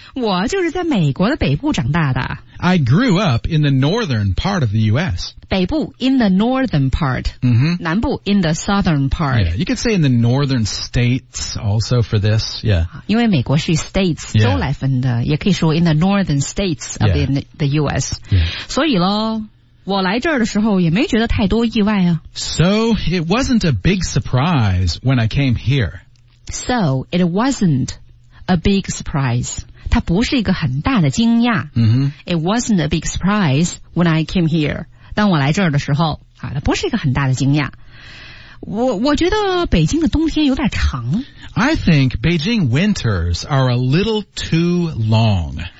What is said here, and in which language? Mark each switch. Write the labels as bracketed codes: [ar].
[zh] 我就是在美国的北部长大的。 [en] I grew up in the northern part of the U.S. [zh] 北部 [en] in the northern part. Mm-hmm. [zh] 南部 [en] in the southern part. Yeah, you could say in the northern states also for this. Yeah. [zh] 因为美国是 states, 州来分的、 [en] yeah. [zh] 也可以说 [en] in the northern states of、 yeah. the U.S. Yeah. [zh] 所以咯我来这儿的时候也没觉得太多意外啊。 [en] So, it wasn't a big surprise when I came here. So, it wasn't a big surprise. [zh] 它不是一个很大的惊讶。 Mm-hmm. [en] It wasn't a big surprise when I came here. [zh] 当我来这儿的时候啊，它不是一个很大的惊讶。我觉得北京的冬天有点长。 [en] I think Beijing winters are a little too long.